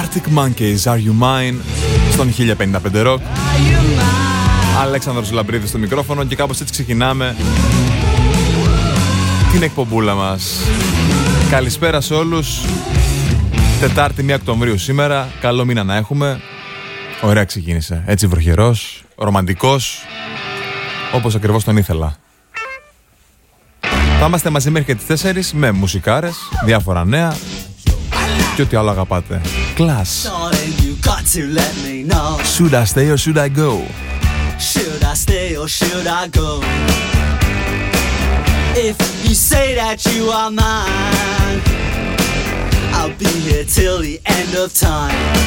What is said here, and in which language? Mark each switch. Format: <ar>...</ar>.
<el>Monkeys, Are You Mine στον 1055 Rock. Αλέξανδρος Λαμπρίδης στο μικρόφωνο και κάπως έτσι ξεκινάμε την εκπομπούλα μας. Καλησπέρα σε όλους. Τετάρτη 1 Οκτωβρίου σήμερα. Καλό μήνα να έχουμε. Ωραία ξεκίνησε. Έτσι βροχερός, ρομαντικός, όπως ακριβώς τον ήθελα. Θα είμαστε μαζί μέχρι και τις 4 με μουσικάρες, διάφορα νέα και ό,τι άλλο αγαπάτε.</el> <en>Class. Darling, you got to let me know. Should I stay or should I go? Should I stay or should I go? If you say that you are mine, I'll be here till the end of time.</en>